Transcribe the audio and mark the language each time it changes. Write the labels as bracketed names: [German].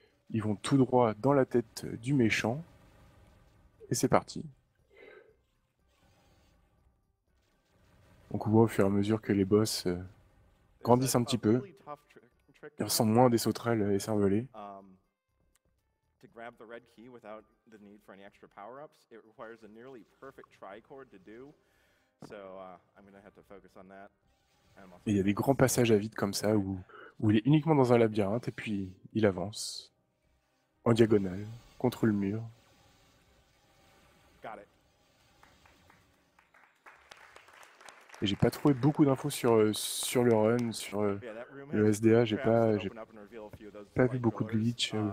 [French] Ils vont tout droit dans la tête du méchant. Et c'est parti. Donc on voit au fur et à mesure que les boss grandissent un petit peu. Ils ressemblent moins à des sauterelles écervelées. [English] To grab the red key without the need for any extra power-ups, it requires a nearly perfect tricord to do. So I'm gonna have to focus on that. [French] Et il y a des grands passages à vide comme ça où il est uniquement dans un labyrinthe et puis il avance en diagonale contre le mur. [English] Got it. [French] Et j'ai pas trouvé beaucoup d'infos sur le run, sur le SDA, j'ai pas vu beaucoup de glitch.